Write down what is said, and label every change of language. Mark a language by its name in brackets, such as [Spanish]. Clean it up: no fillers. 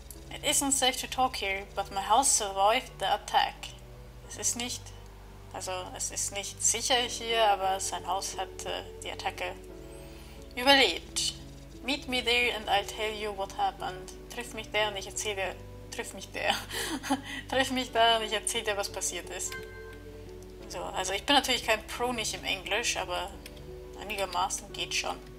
[English] It isn't safe to talk here, but my house survived the attack. [German] Es ist nicht. Also, es ist nicht sicher hier, aber sein Haus hat die Attacke überlebt. [English] Meet me there and I'll tell you what happened. [German] Triff mich da und ich erzähle. Triff mich da. Triff mich da und ich erzähle dir, was passiert ist. So, also ich bin natürlich kein Pro, nicht im Englisch, aber einigermaßen geht schon.